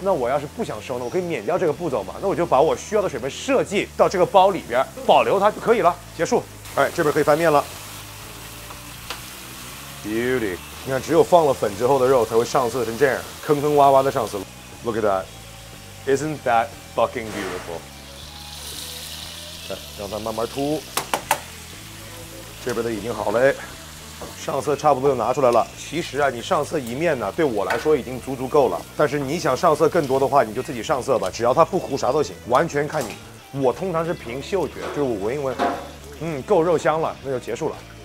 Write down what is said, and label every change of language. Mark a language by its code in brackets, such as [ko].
[zh] 那我要是不想收呢，我可以免掉这个步骤嘛，那我就把我需要的水分设计到这个包里边保留它就可以了，结束。哎，这边可以翻面了。 Beauty， 你看只有放了粉之后的肉才会上色成这样，坑坑洼洼的上色。 [en] Look at that， Isn't that fucking beautiful? [zh] 来，让它慢慢出。这边的已经好嘞，上色差不多就拿出来了。其实啊，你上色一面呢，对我来说已经足足够了。但是你想上色更多的话，你就自己上色吧，只要它不糊，啥都行，完全看你。我通常是凭嗅觉，就是我闻一闻，嗯，够肉香了，那就结束了。